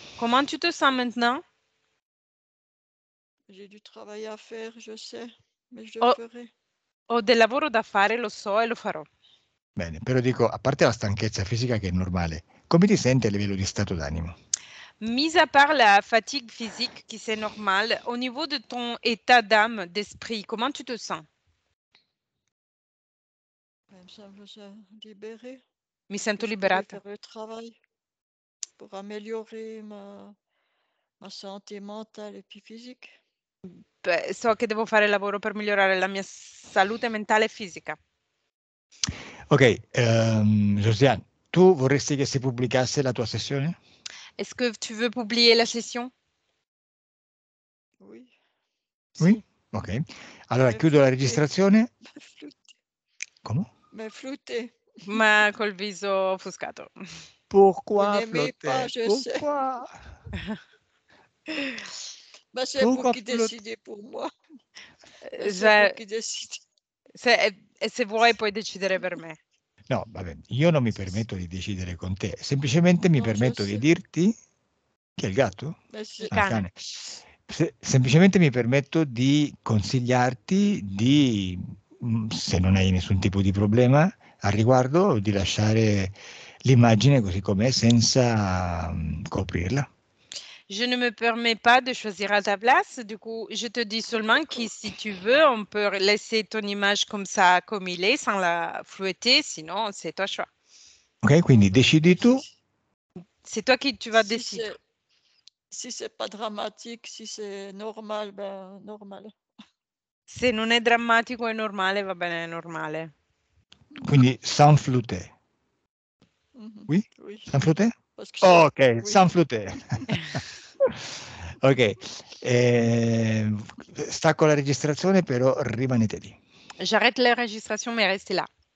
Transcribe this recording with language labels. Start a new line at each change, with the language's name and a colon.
French: Comment tu te sens maintenant? J'ai du travail à faire, je sais, mais je le ferai.
Italian: Ho del lavoro da fare, lo so, e lo farò. Bene, però dico, a parte la stanchezza fisica che è normale, come ti senti a livello di stato d'animo?
French: Mis à part la fatigue physique, qui c'est normal, au niveau de ton état d'âme, d'esprit, comment tu te sens?
Italian: Mi sento libérée. Mi sento liberata. Per il
French: travail, per améliorer ma santé mentale e puis physique.
Italian: Beh, so che devo fare lavoro per migliorare la mia salute mentale e fisica. Ok, Josiane, tu vorresti che si pubblicasse la tua sessione?
French: Est-ce que tu veux publier la session? Oui. Oui? Ok.
Italian: Allora, chiudo la registrazione.
French: Ma flutté.
Italian: Come?
French: Ma flutté.
Italian: Ma col viso offuscato.
French: Pourquoi flutté? Pourquoi? Ma c'est vous qui décidez pour moi. C'est vous qui décidez.
Italian: Se vuoi puoi decidere per me. No, vabbè, io non mi permetto di decidere con te. Semplicemente mi permetto di dirti... Chi è il gatto? Il cane. Semplicemente mi permetto di consigliarti di, se non hai nessun tipo di problema al riguardo, di lasciare l'immagine così com'è senza coprirla.
French: Je ne me permets pas de choisir à ta place. Du coup, je te dis seulement que si tu veux, on peut laisser ton image comme ça, comme il est, sans la flouter. Sinon, c'est toi choix.
Italian: Ok, quindi décidi tu.
French: C'est toi qui tu vas décider. Si c'est pas dramatique, si c'est normal, ben normal.
Italian: Se non è drammatico e normale, va bene, è normale. Quindi
French: sans flouter. Mm-hmm. Oui? Oui. Sans flouter? Ok, oui. Sans flouter.
Italian: Ok, stacco la registrazione, però rimanete lì.
French: J'arrête la registrazione, ma restez là.